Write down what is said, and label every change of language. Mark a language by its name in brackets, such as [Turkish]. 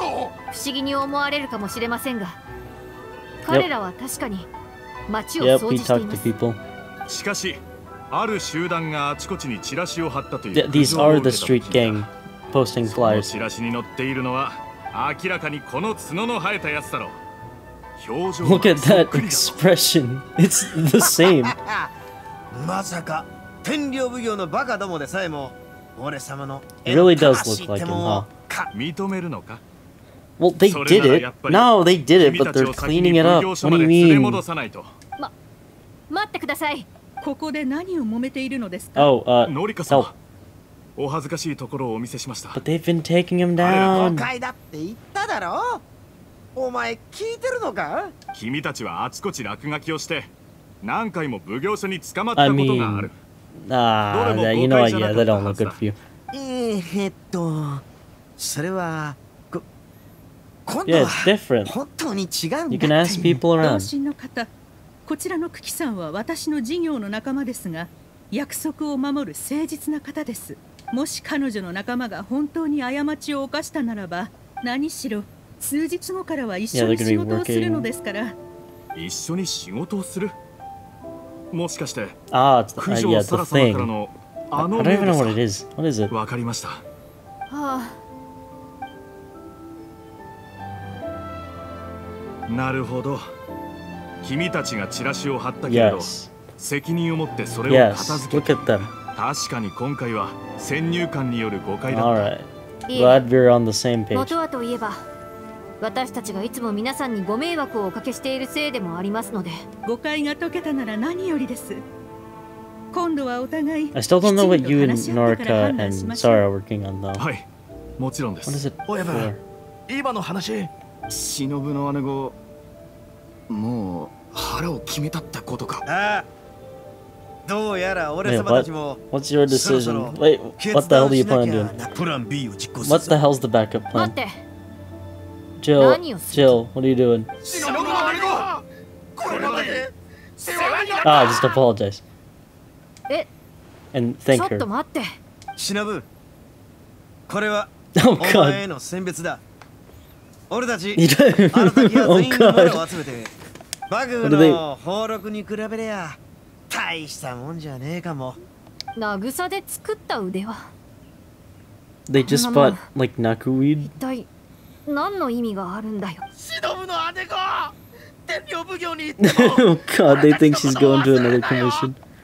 [Japanese] 不思議に思われるかもしれませんが、彼らは確かに町を掃除しています。しかし、ある集団があちこちにチラシを貼ったという。 [English] Yeah, these are the street gang posting flyers. [Japanese] チラシに載っているのは明らかにこの角の生えたやつだろう。表情 [English] が。Look at that expression. It's the same. [Japanese] まさか天領奉行のバカどもでさえも。 [English] It really does look like him, huh? Well, they did it. No, they did it, but they're cleaning it up. What do you mean? Wait, wait. What are you fighting Oh, help. I showed you an embarrassing spot. But they've been taking him down. I said it. Are you listening? You've been making mistakes all over the place. You know what? Yeah, they don't look good for you. Yeah, it's different. You can ask people around. [Japanese] こちらの久喜さんは私の事業の仲間ですが、約束を守る誠実な方です。もし彼女の仲間が本当に過ちを犯したならば、何しろ数日後からは一緒に仕事をするのですから。一緒に仕事をする、もしかして、九条サラ様からのあの目ですか。 [English] I don't know what it is. [Japanese] わかりました。ああ、なるほど。君たちがチラシを貼ったけど、責任を持ってそれを片付けた。確かに今回は先入観による誤解だった。 [English] Glad we're on the same page. [Japanese] 元はといえば、私たちがいつも皆さんにご迷惑をおかけしているせいでもありますので。誤解が解けたなら何よりです。今度はお互い。 [English] I still don't know what you and Norika and Sara are working on though. [Japanese] はい、もちろんです。 [English] What is it for? おやぶ、 [Japanese] 今の話。忍ぶの姉子、もう腹を決めたってことか。ああ、どうやら俺様たちも。 [English] What's your decision? Wait, what the hell do you plan on doing? [Japanese] プラン B を実行する。 [English] What the hell's the backup plan? [Japanese] 待って。 [English] Jill, what are you doing? Ah, just apologize. And thank her. [Japanese] ちょっと待って。忍、これはお前への選別だ。俺たち、荒崎が全員の村を集めて、バグの俸禄に比べりゃ大したもんじゃねえかも。慰で作った腕は。 [English] They just bought like knuckleweed? [Japanese] 何の意味があるんだよ。忍ぶの姉子、天領奉行に行っても。 [English] Oh God, they think she's going to another commission.